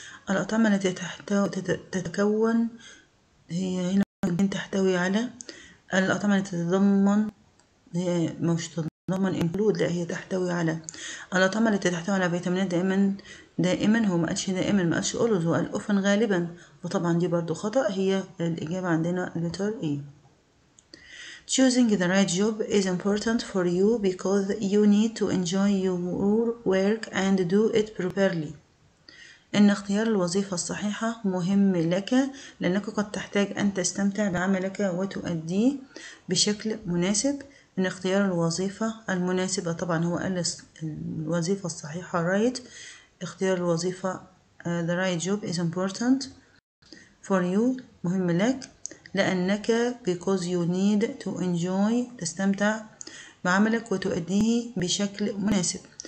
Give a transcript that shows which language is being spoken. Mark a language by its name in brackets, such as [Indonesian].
[Arabic] الأطعمة التي تتكون هي هنا ممكن تحتوي على الأطعمة التي تتضمن هي مش تتضمن [English] include [Arabic] لا هي تحتوي على الأطعمة التي تحتوي على فيتامينات دائما هو ما قالش دائما ما قالش [English] always [Arabic] هو قال [English] often [Arabic] غالبا وطبعا دي برضو خطأ. هي الإجابة عندنا [English] letter A. Choosing the right job is important for you because you need to enjoy your work and do it properly. [Arabic] إن اختيار الوظيفة الصحيحة مهم لك لأنك قد تحتاج أن تستمتع بعملك وتؤديه بشكل مناسب. إن اختيار الوظيفة المناسبة طبعا هو قال الوظيفة الصحيحة [English] right. [Arabic] اختيار الوظيفة [English] the right job is important for you [Arabic] مهم لك لأنك [English] because you need to enjoy [Arabic] تستمتع بعملك وتؤديه بشكل مناسب.